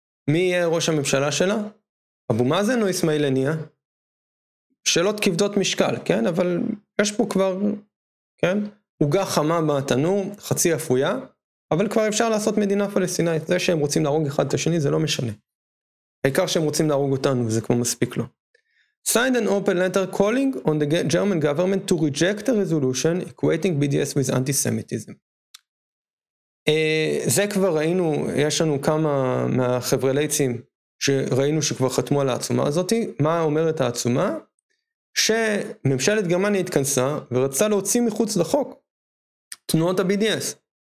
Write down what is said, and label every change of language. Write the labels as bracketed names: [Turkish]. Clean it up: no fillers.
[Hebrew] מי יהיה ראש הממשלה שלה? אבו מאזן או אסמאעיל הנייה? שאלות כבדות משקל, כן? אבל יש פה כבר, כן? עוגה חמה בתנור, חצי אפויה, אבל כבר אפשר לעשות מדינה פלסטינאית. זה שהם רוצים להרוג אחד את השני, זה לא משנה. העיקר שהם רוצים להרוג אותנו, זה כבר מספיק לו. [English] Signed an open letter calling on the German government to reject the resolution equating BDS with anti-Semitism. [Hebrew] זה כבר ראינו, יש לנו כמה מהחברי לייצים שראינו שכבר חתמו על העצומה הזאת. מה אומרת העצומה? שממשלת גרמניה התכנסה ורצה להוציא מחוץ לחוק תנועות ה-BDS.